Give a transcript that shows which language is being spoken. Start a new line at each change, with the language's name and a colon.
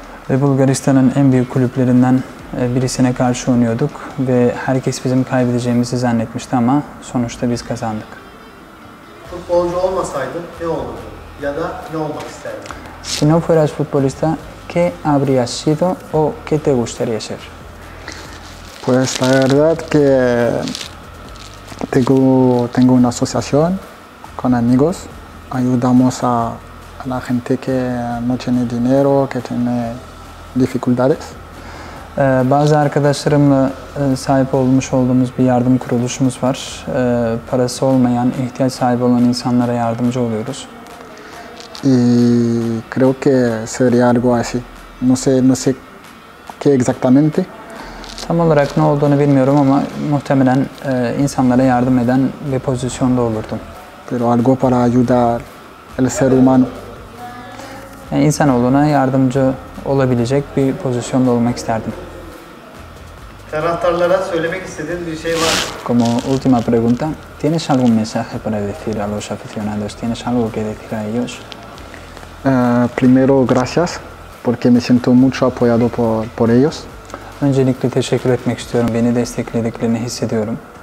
Turkish: Ve Bulgaristan'ın en büyük kulüplerinden birisine karşı oynuyorduk ve herkes bizim kaybedeceğimizi zannetmişti ama sonuçta biz kazandık. Futbolcu olmasaydın ne olurdu ya da ne olmak isterdin?
Spanish: Si no fueras futbolista, ¿qué habrías sido o qué te gustaría ser? Pues la verdad que tengo una asociación con amigos, ayudamos a la gente que no tiene dinero, que tiene dificultades.
Turkish: Bazı arkadaşlarımla sahip olmuş olduğumuz bir yardım kuruluşumuz var. Parası olmayan, ihtiyaç sahibi olan insanlara yardımcı oluyoruz.
Spanish: Y creo que sería algo así. No sé qué exactamente.
Turkish: Tam olarak ne olduğunu bilmiyorum ama muhtemelen insanlara yardım eden bir pozisyonda olurdum.
Spanish: Pero algo para ayudar el ser humano.
Turkish: Yani insanoğluna yardımcı olabilecek bir pozisyonda olmak isterdim. Taraftarlara söylemek istediğin bir şey var mı?
Spanish: Como última pregunta, ¿tienes algún mensaje para decir a los aficionados? ¿Tienes algo que decir a ellos? Primero, gracias, porque me siento mucho apoyado por ellos.
Turkish: Öncelikle teşekkür etmek istiyorum, beni desteklediklerini hissediyorum.